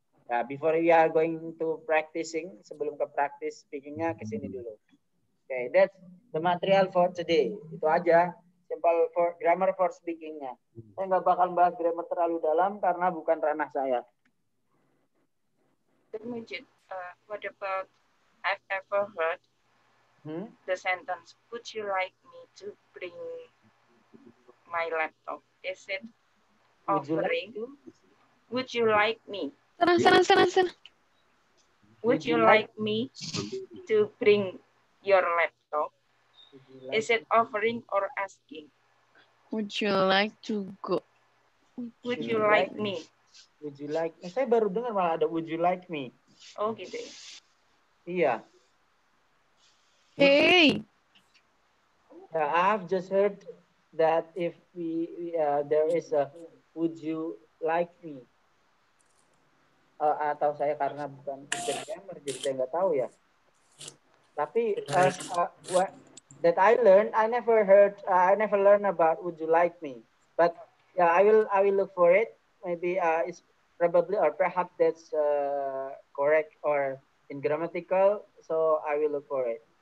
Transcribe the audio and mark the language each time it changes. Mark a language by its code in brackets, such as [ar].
[en] Nah, before we are going to practicing, [id] sebelum ke practice speaking-nya, kesini dulu. [en] Okay, that's the material for today. [id] Itu aja. [en] Simple for grammar for speaking-nya. [id] Saya nggak bakal bahas grammar terlalu dalam karena bukan ranah saya. [en] Majid, what about I've ever heard the sentence, would you like me to bring my laptop? Is it offering? Would you like me? [id] Senang. [en] Would you like me to bring your laptop? Is it offering or asking? Would you like to go? Would you like me? Would you like? [id] Saya baru dengar malah ada [en] would you like me. [id] Oh gitu. Okay. Iya. [en] Hey. Yeah, I've just heard that if there is a would you like me? [id] Atau saya karena bukan programmer jadi saya nggak tahu ya. [en] Tapi what that I learned, I never heard, I never learned about would you like me. But yeah, I will look for it. Maybe it's probably or perhaps that's correct or in grammatical. So I will look for it.